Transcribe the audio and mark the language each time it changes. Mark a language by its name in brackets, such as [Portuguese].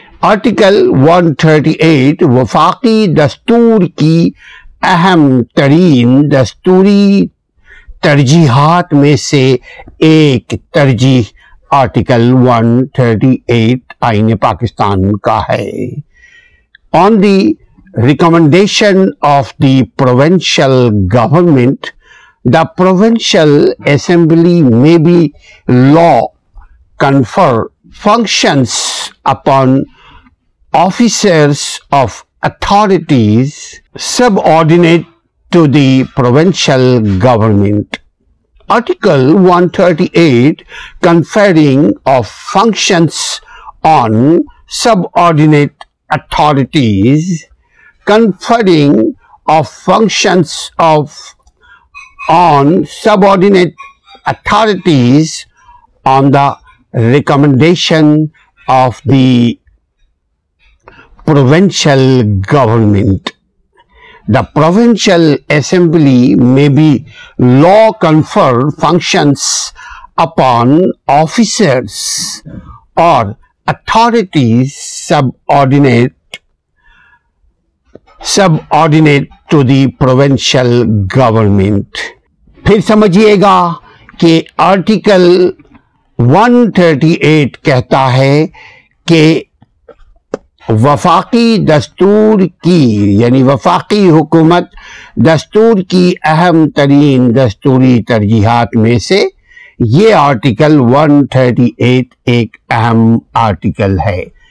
[Urdu] Article 138 وفاقی دستور کی اہم ترین دستوری ترجیحات میں سے ایک ترجیح آرٹیکل 138 آئین پاکستان کا ہے. [English] On the recommendation of the provincial government the provincial assembly may be law confer functions upon officers of authorities subordinate to the provincial government. Article 138 conferring of functions on subordinate authorities, conferring of functions on subordinate authorities on the recommendation of the provincial government. The Provincial Assembly may be law confer functions upon officers or authorities subordinate to the Provincial Government. [Urdu] پھر سمجھئے گا کہ article 138 کہتا ہے کہ وفاقی دستور کی یعنی وفاقی حکومت دستور کی اہم ترین دستوری ترجیحات میں سے یہ آرٹیکل 138 ایک اہم آرٹیکل ہے.